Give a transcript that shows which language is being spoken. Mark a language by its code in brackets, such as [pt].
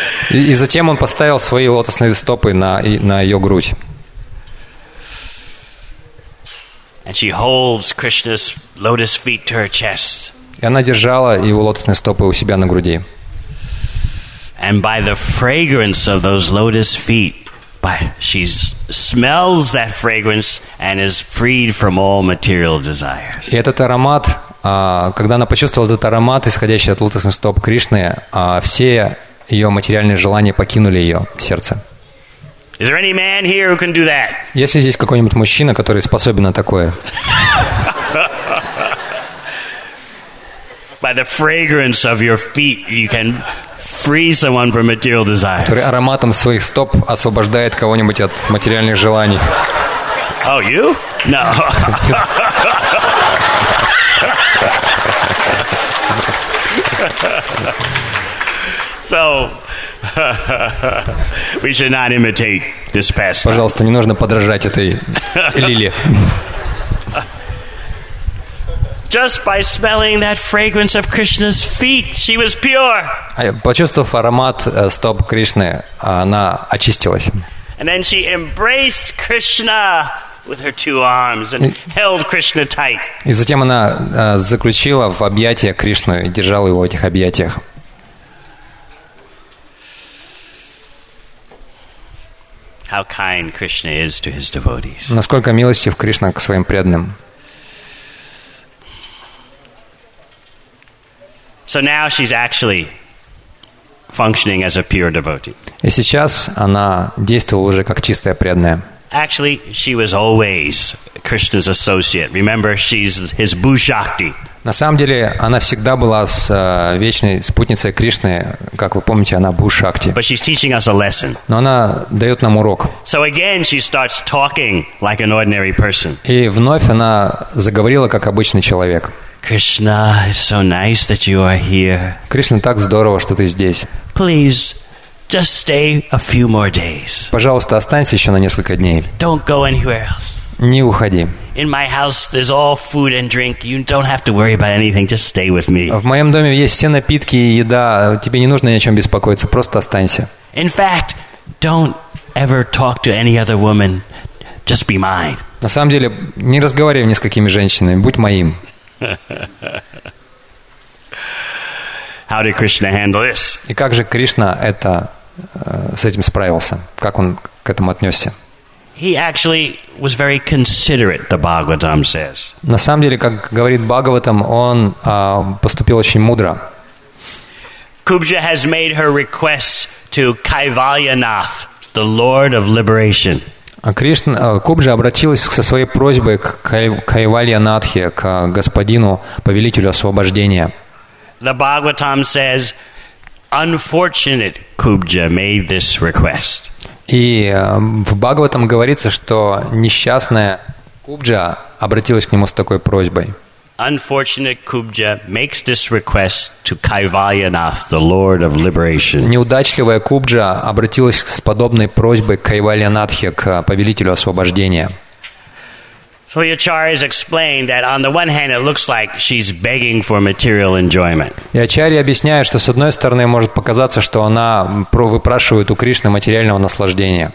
[ru] И затем он поставил свои лотосные стопы на ее грудь. И она держала его лотосные стопы у себя на груди. [en] And by the fragrance of those lotus feet, she smells that fragrance and is freed from all material desires. [ru] И этот аромат. Когда она почувствовала этот аромат, исходящий от лотосных стоп Кришны, все ее материальные желания покинули ее сердце. [en] Is there any man here who can do that? [ru] Есть ли здесь какой-нибудь мужчина, который способен на такое? [en] By the fragrance of your feet, you can free someone from material desires. [ru] Который ароматом своих стоп освобождает кого-нибудь от материальных желаний. [en] Oh, you? No. So, we should not imitate this pastime. [ru] Пожалуйста, не нужно подражать этой лиле. [en] Just by smelling that fragrance of Krishna's feet, she was pure. [ru] Почувствовав аромат стоп Кришны, она очистилась. [en] And then she embraced Krishna with her two arms and held Krishna tight. [ru] И затем она заключила в объятия Кришну и держала его в этих объятиях. [en] How kind Krishna is to his devotees. [ru] Насколько милостив Кришна к своим преданным. [en] So now she's actually functioning as a pure devotee. [ru] И сейчас она действовала уже как чистая преданная. [en] Actually, she was always Krishna's associate. Remember, she's his bhushakti. [ru] На самом деле, она всегда была с вечной спутницей Кришны, как вы помните, она бхушакти. [en] But she's teaching us a lesson. [ru] Но она дает нам урок. [en] So again, she starts talking like an ordinary person. [ru] И вновь она заговорила как обычный человек. [en] Krishna, it's so nice that you are here. [ru] Кришна, так здорово, что ты здесь. [en] Please. Just stay a few more days. [ru] Пожалуйста, останься еще на несколько дней. [en] Don't go anywhere else. [ru] Не уходи. [en] In my house there's all food and drink. You don't have to worry about anything. Just stay with me. [ru] В моем доме есть все напитки и еда. Тебе не нужно ни о чем беспокоиться. Просто останься. [en] In fact, don't ever talk to any other woman. Just be mine. [ru] На самом деле, не разговаривай ни с какими женщинами. Будь моим. [en] How did Krishna handle this? [ru] И как же Кришна это с этим справился? Как он к этому отнесся? [en] He actually was very considerate, the Bhagavatam says. [ru] На самом деле, как говорит Бхагаватам, он поступил очень мудро. [en] Kubja has made her request to Kaivalyanath, the Lord of Liberation. [ru] Кубджа обратилась со своей просьбой к Кайвальянатхе, к господину, повелителю освобождения. [en] The Bhagavatam says, unfortunate Kubja made this request. [ru] И в Бхагаватам говорится, что несчастная Кубджа обратилась к нему с такой просьбой. [en] Unfortunate Kubja makes this request to Kaivalyanath, the Lord of Liberation. [ru] Неудачливая Кубджа обратилась с подобной просьбой к Кайвальянатхе, к повелителю освобождения. [en] So Acharya's explained that on the one hand it looks like she's begging for material enjoyment. [ru] И Ачарья объясняет, что с одной стороны может показаться, что она выпрашивает у Кришны материального наслаждения.